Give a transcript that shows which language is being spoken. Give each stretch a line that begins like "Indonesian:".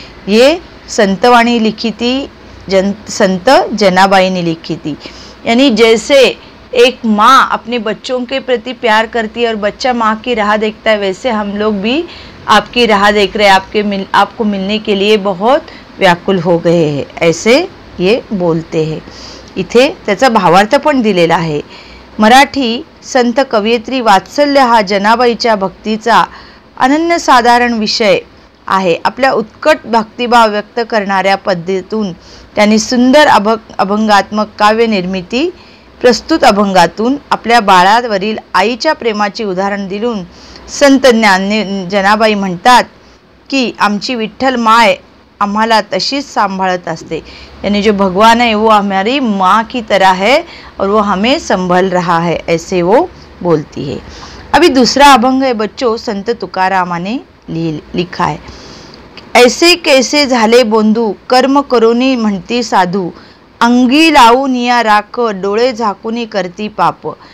Hindi: ये संतवाणी लिखी थी संत जनाबाई ने लिखी थी। यानी जैसे एक माँ अपने बच्चों के प्रति प्यार करती है और बच्चा माँ की राह देखता है, वैसे हम लोग भी आपकी राह देख रहे हैं, आपको मिलने के लिए बहुत व्याकुल हो गए हैं, ऐसे ये बोलते हैं।
Marathi: इथे त्याचा भावार्थ पण दिलेला आहे। मराठी संत कवयित्री वात्सल्य हा जनाबाईच्या भक्तीचा अनन्य साधारण विषय आहे। आपल्या उत्कट भक्तिभाव व्यक्त करणाऱ्या पद्धतीतून त्यांनी सुंदर अभंगात्मक काव्य निर्मिती, प्रस्तुत अभंगातून आपल्या बाळावरील आईच्या प्रेमाचे उदाहरण दिलून संत जनाबाई म्हणतात की आमची विठ्ठल माय आम्हाला तशीच सांभाळत असते।
Hindi: यानी जो भगवान आहे वो हमारी माँ की तरह है और वो हमें संभल रहा है, ऐसे वो बोलती है। अभी दूसरा अभंग है बच्चों, संत तुकारामाने लिखा है।
Marathi: ऐसे कैसे झाले बोंधू, कर्म करोनी म्हणती साधू, अंगी लावू निया राख, डोळे झाकूनी करती पाप।